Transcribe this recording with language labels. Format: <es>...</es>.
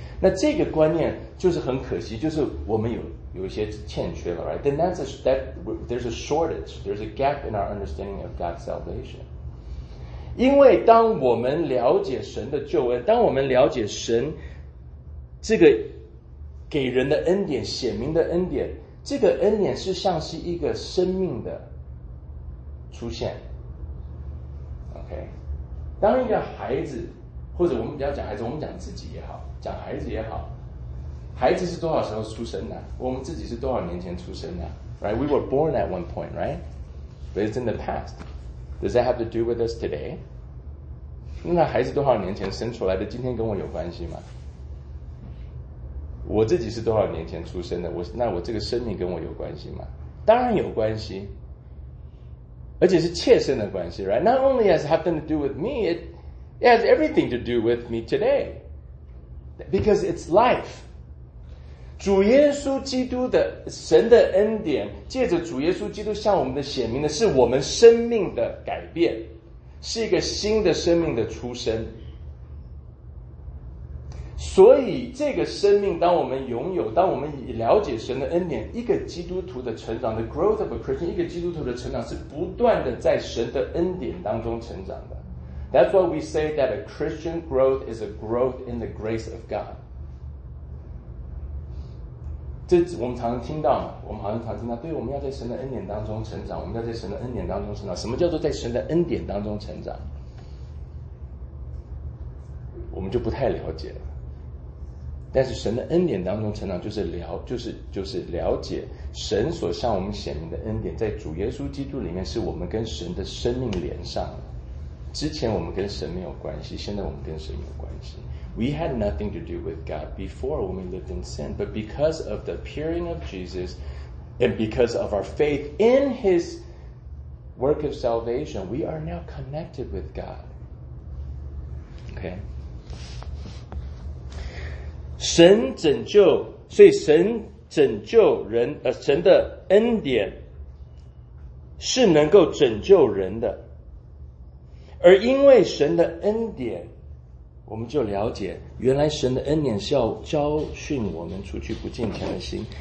<zh>那这个观念就是很可惜，就是我们有一些欠缺了、right?</zh> <en>Then that's there's a shortage, there's a gap in our understanding of God's salvation。</en> <zh>因为当我们了解神的救恩，当我们了解神这个给人的恩典，显明的恩典，这个恩典是像是一个生命的出现。 OK， 当一个孩子，或者我们不要讲孩子，我们讲自己也好，讲孩子也好，孩子是多少时候出生的？我们自己是多少年前出生的</zh> <en>？Right? We were born at one point, right? But it's in the past. Does that have to do with us today?</en> <zh>那孩子多少年前生出来的，今天跟我有关系吗？我自己是多少年前出生的，那我这个生命跟我有关系吗？当然有关系，而且是切身的关系，</zh> <en>right? Not only has it happened to do with me, it has everything to do with me today. Because it's life.</en> <zh>主耶稣基督的神的恩典，借着主耶稣基督向我们的显明的是我们生命的改变，是一个新的生命的出生。所以这个生命，当我们拥有，当我们了解神的恩典，一个基督徒的成长</zh> <en>The growth of a Christian，</en> <zh>一个基督徒的成长是不断的在神的恩典当中成长的。</zh> <en>That's why we say that a Christian growth is a growth in the grace of God。</en> <zh>这我们常常听到嘛，我们好像常听到，对，我们要在神的恩典当中成长，我们要在神的恩典当中成长。什么叫做在神的恩典当中成长？我们就不太了解了。但是神的恩典当中成长，就是了解神所向我们显明的恩典，在主耶稣基督里面，是我们跟神的生命连上了。之前我们跟神没有关系，现在我们跟神有关系。</zh> <en>We had nothing to do with God before when we lived in sin. But because of the appearing of Jesus and because of our faith in his work of salvation, we are now connected with God. Okay.</en> <zh>神拯救，所以神拯救人，神的恩典是能够拯救人的。而因为神的恩典，我们就了解原来神的恩典是要教训我们除去不敬虔的心。</zh>